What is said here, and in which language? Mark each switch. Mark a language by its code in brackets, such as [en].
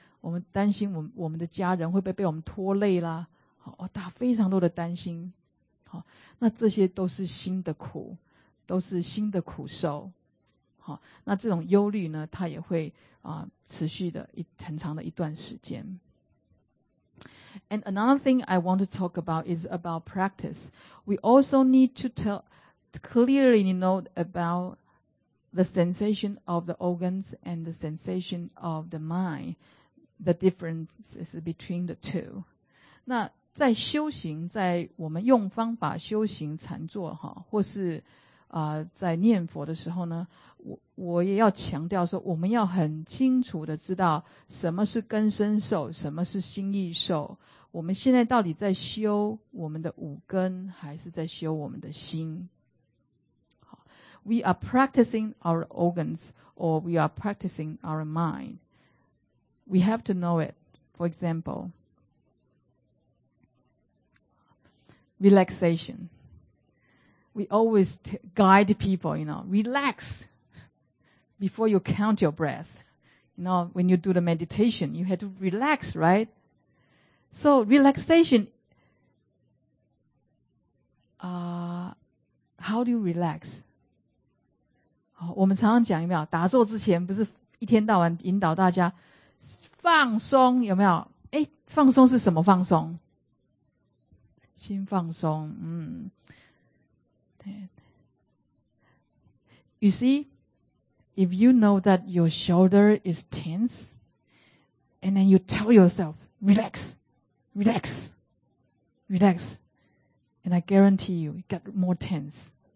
[zh] 我们担心我们的家人会不会被我们拖累啦？好，大非常多的担心。好，那这些都是心的苦，都是心的苦受。好，那这种忧虑呢，它也会持续的很长的一段时间。 [en] And another thing I want to talk about is about practice. We also need to clearly note about the sensation of the organs and the sensation of the mind, the differences between the two. [zh] 那在修行，在我们用方法修行禅坐哈，或是在念佛的时候呢，我也要强调说，我们要很清楚的知道什么是根身受，什么是心意受。我们现在到底在修我们的五根，还是在修我们的心？ [en] 好 ，We are practicing our organs, or we are practicing our mind. We have to know it. For example, relaxation. We always guide people, you know, relax before you count your breath. You know, when you do the meditation, you have to relax, right? So relaxation, how do you relax? [zh] 我们常常讲有没有打坐之前不是一天到晚引导大家放松有没有放松是什么放松心放松 [en] You see, if you know that your shoulder is tense, and then you tell yourself, relax, relax, relax, and I guarantee you, it gets more tense.